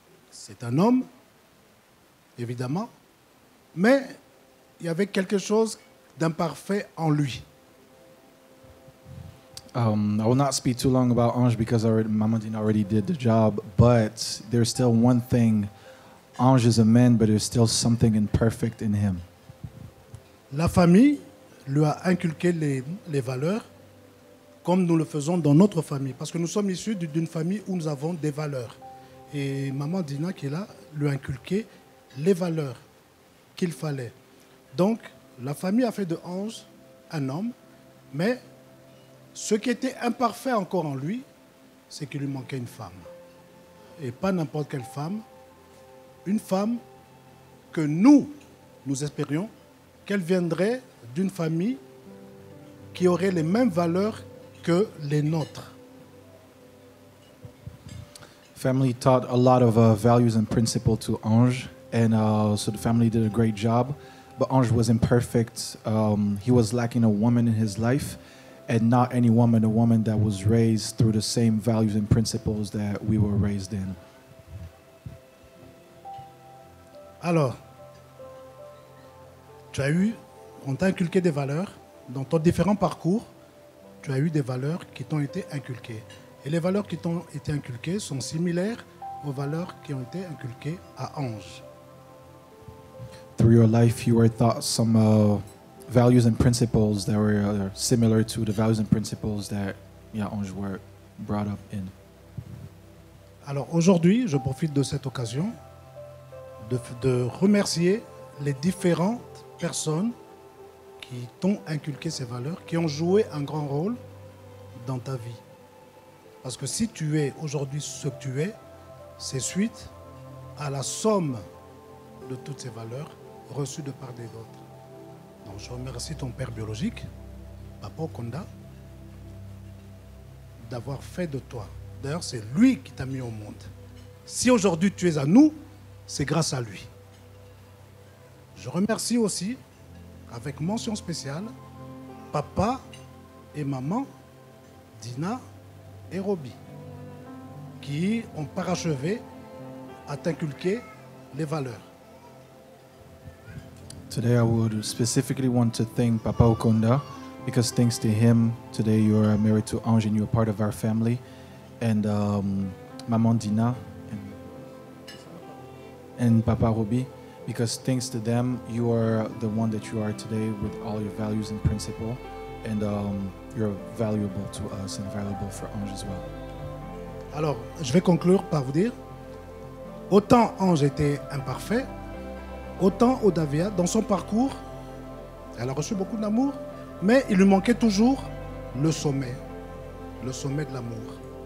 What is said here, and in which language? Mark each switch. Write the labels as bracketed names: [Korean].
[French] c'est un homme, évidemment, mais il y avait quelque chose d'imparfait en lui. [English] I will not speak too long about Ange because Mamadine already did the job, but there's still one thing. Ange is a man, but there's still something imperfect in him. [French] La famille lui a inculqué les valeurs comme nous le faisons dans notre famille, parce que nous sommes issus d'une famille où nous avons des valeurs. Et Maman Dina, qui est là, lui a inculqué les valeurs qu'il fallait. Donc, la famille a fait de Ange un homme, mais ce qui était imparfait encore en lui, c'est qu'il lui manquait une femme. Et pas n'importe quelle femme, une femme que nous espérions qu'elle viendrait d'une famille qui aurait les mêmes valeurs que les nôtres. [English] Family taught a lot of values and principles to Ange, and so the family did a great job, but Ange was imperfect. He was lacking a woman in his life, and not any woman, a woman that was raised through the same values and principles that we were raised in. [French] Alors, tu as eu, on t'a inculqué des valeurs dans ton différent parcours. Tu as eu des valeurs qui t'ont été inculquées. Et les valeurs qui t'ont été inculquées sont similaires aux valeurs qui ont été inculquées à Ange. [English] Through your life, you were taught some values and principles that were similar to the values and principles that Ange were brought up in. [French] Alors aujourd'hui, je profite de cette occasion de remercier les différentes personnes qui t'ont inculqué ces valeurs, qui ont joué un grand rôle dans ta vie. Parce que si tu es aujourd'hui ce que tu es, c'est suite à la somme de toutes ces valeurs reçues de part des autres. Donc je remercie ton père biologique, Papa Okonda, d'avoir fait de toi. D'ailleurs, c'est lui qui t'a mis au monde. Si aujourd'hui tu es à nous, c'est grâce à lui. Je remercie aussi, avec mention spéciale, Papa et Maman Dina et Roby, qui ont parachevé à t'inculquer les valeurs. [English] Today I would specifically want to thank Papa Okonda, because thanks to him, today you are married to Ange and you are part of our family, and Maman Dina and Papa Roby, because thanks to them, you are the one that you are today with all your values and principle, and you're valuable to us and valuable for Ange as well. [French] Alors, je vais conclure par vous dire, autant Ange était imparfait, autant Hodaviah, dans son parcours, elle a reçu beaucoup d'amour, mais il lui manquait toujours le sommet de l'amour.